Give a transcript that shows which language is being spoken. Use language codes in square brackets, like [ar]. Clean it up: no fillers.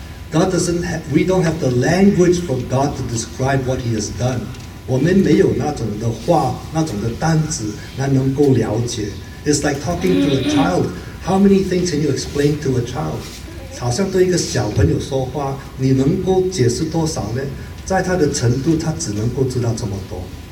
[en] God doesn't have, we don't have the language for God to describe what He has done. [zh] 我们没有那种的话，那种的单词，来能够了解。 [en] It's like talking to a child. How many things can you explain to a child? [zh] 好像对一个小朋友说话，你能够解释多少呢？在他的程度，他只能够知道这么多。